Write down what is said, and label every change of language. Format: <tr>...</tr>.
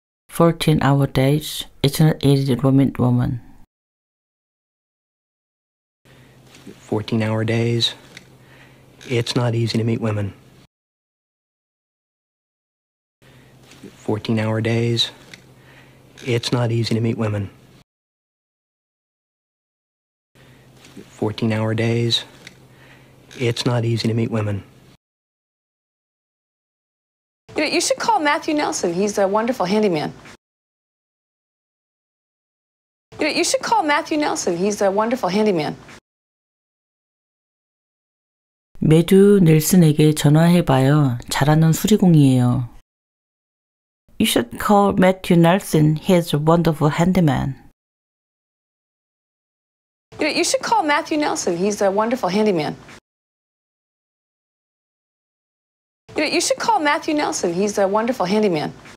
<en>14-hour days, it's not easy to meet women. 14-hour days, it's not easy to meet women. 14-hour days, it's not easy to meet women. 14-hour days, it's not easy to meet women. You should call Matthew Nelson. He's a wonderful handyman. You should call Matthew Nelson. He's a wonderful handyman.</en> <ko>매튜 넬슨에게 전화해 봐요. 잘하는 수리공이에요.</ko> <en>You should call Matthew Nelson. He's a wonderful handyman. You should call Matthew Nelson. He's a wonderful handyman. You should call Matthew Nelson. He's a wonderful handyman.</en>